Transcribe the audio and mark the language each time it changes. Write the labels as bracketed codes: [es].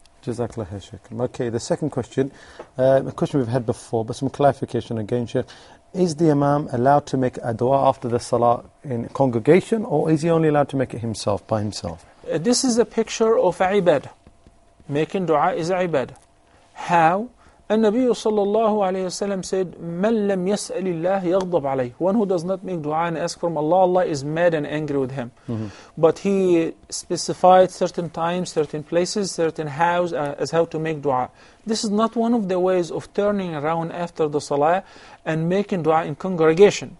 [en] Jazakallah khair, Sheikh. Okay, the second question, a question we've had before, but some clarification again, Sheikh. Is the Imam allowed to make a dua after the salah in congregation, or is he only allowed to make it himself, by himself? This is a picture of ibad. Making dua is ibad. How? [ar] النبي صلى الله عليه وسلم said, من لم يسأل الله يغضب عليه. [en] One who does not make dua and ask from Allah, Allah is mad and angry with him. Mm-hmm. But he specified certain times, certain places, certain hows as how to make dua. This is not one of the ways of turning around after the salah and making dua in congregation.